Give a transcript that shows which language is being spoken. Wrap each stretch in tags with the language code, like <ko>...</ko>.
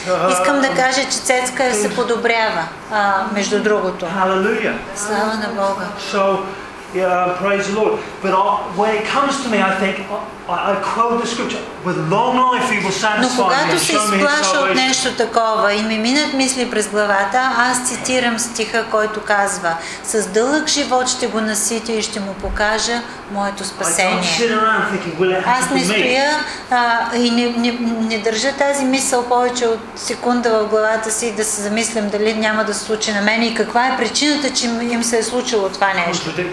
<bg>Искам да кажа, че Цецка се подобрява, между другото. Слава на Бога.</bg> <en>Praise the Lord. But when it comes to me, I think I quote the scripture. With long life he will satisfy me.</en> <bg>Но когато се изплаша от нещо такова и ми минат мисли през главата, аз цитирам стиха, който казва: с дълъг живот ще го насити и ще му покажа моето спасение. Аз не стоя и не държа тази мисъл повече от секунда в главата си да се замислям дали няма да се случи на мен и каква е причината, че им се е случило това нещо.</bg>